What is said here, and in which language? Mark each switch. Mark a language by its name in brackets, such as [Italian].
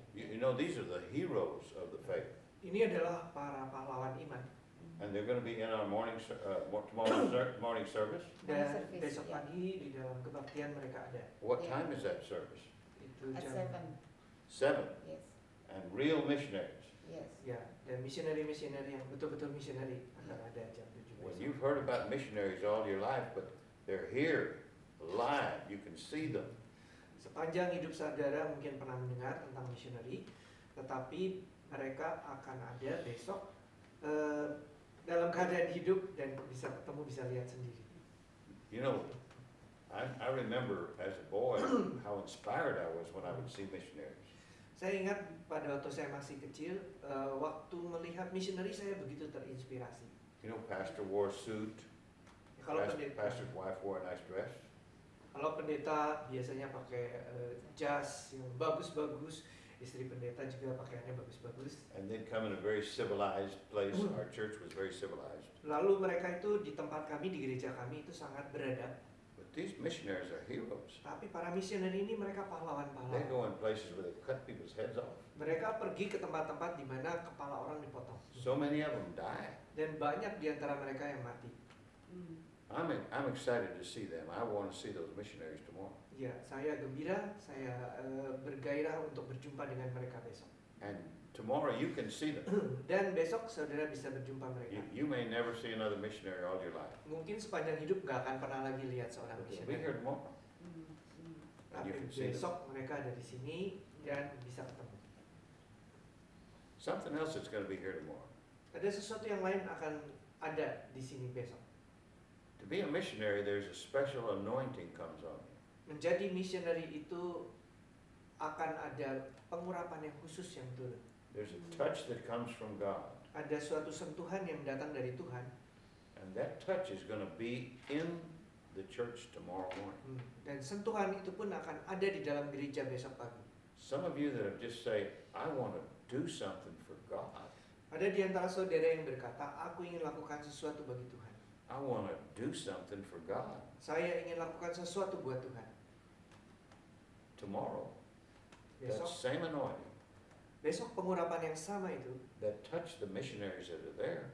[English] You know, these are the heroes of the faith. [Indonesian] Ini adalah para pahlawan iman. [English] And they're going to be in our morning morning service. [Indonesian] Dan besok pagi di dalam kebaktian mereka ada. [English] What time is that service? [Indonesian] Itu at jam 7. 7. [English] Yes. And real missionaries. Yes. Yeah, the missionary [Indonesian] yang betul-betul missionary akan ada jam 7. [English] Well, you've heard about missionaries all your life, but they're here live. You can see them. [Indonesian] Sepanjang hidup saudara mungkin pernah mendengar tentang missionary, tetapi mereka akan ada besok dalam keadaan hidup dan bisa ketemu, bisa lihat sendiri. [English] You know, I remember as a boy how inspired I was when I would see missionaries. [Indonesian] Saya ingat pada waktu saya masih kecil, waktu melihat missionary saya begitu terinspirasi. [English] You know, pastor wore a suit. Pastor's wife wore a nice dress. [Indonesian] Kalau pendeta biasanya pakai jas yang bagus-bagus, istri pendeta juga pakaiannya bagus-bagus. [English] And they come in a very civilized place. Our church was very civilized. [Indonesian] Lalu mereka itu di tempat kami, di gereja kami itu sangat beradab. [English] But these missionaries are heroes. [Indonesian] Tapi para misioner ini mereka pahlawan-pahlawan. [English] They go in places where they cut people's heads off. [Indonesian] Mereka pergi ke tempat-tempat di mana kepala orang dipotong. [English] So many of them die. [Indonesian] Dan banyak di antara mereka yang mati. [English] I'm excited to see them. I want to see those missionaries tomorrow. [Indonesian] Yeah, saya gembira, saya bergairah untuk berjumpa dengan mereka besok. [English] And tomorrow you can see them. [Indonesian] Dan besok saudara bisa berjumpa mereka. [English] You may never see another missionary all your life. [Indonesian] Mungkin sepanjang hidup enggak akan pernah lagi lihat seorang missionary. [English] We'll be here tomorrow. [Indonesian] Tapi besok mereka ada di sini dan bisa ketemu. [English] Something else is going to be here tomorrow. [Indonesian] Ada sesuatu yang lain akan ada di sini besok. [English] To be a missionary, there's a special anointing comes on you. [Indonesian] Menjadi missionary itu akan ada pengurapan yang khusus yang turun. [English] There's a touch that comes from God. [Indonesian] Ada suatu sentuhan yang datang dari Tuhan. [English] And that touch is going to be in the church tomorrow morning. [Indonesian] Dan sentuhan itu pun akan ada di dalam gereja besok pagi. [English] Some of you that have just said, I want to do something for God. [Indonesian] Ada di antara saudara yang berkata, aku ingin lakukan sesuatu bagi Tuhan. [English] I want to do something for God. [Indonesian] Saya ingin lakukan sesuatu buat Tuhan. [English] Tomorrow. [Indonesian] Besok. [English] That same anointing. [Indonesian] Besok pengurapan yang sama itu. [English] That touched the missionaries that are there.